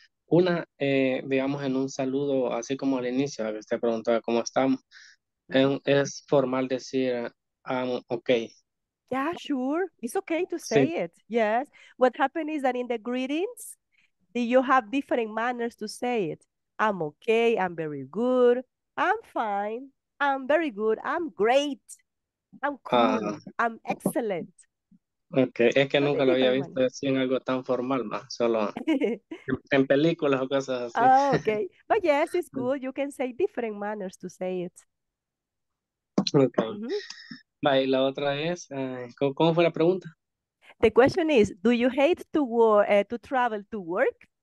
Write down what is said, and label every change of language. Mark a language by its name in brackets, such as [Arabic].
[Spanish] Una, digamos, en un saludo, así como al inicio, que usted preguntaba cómo estamos, es formal decir, okay. [English] Yeah, sure. It's okay to say [Spanish] sí. [English] it. Yes. What happened is that in the greetings, you have different manners to say it. I'm okay, I'm very good, I'm fine, I'm very good, I'm great, I'm cool, I'm excellent. [Spanish] Okay, es que nunca lo había visto así en algo tan formal, más solo en películas o cosas así. [English] Oh, okay, but yes, it's good, you can say different manners to say it. [Spanish] Okay, vale, la otra es, ¿cómo fue la pregunta? [English] The question is, do you hate to travel to work?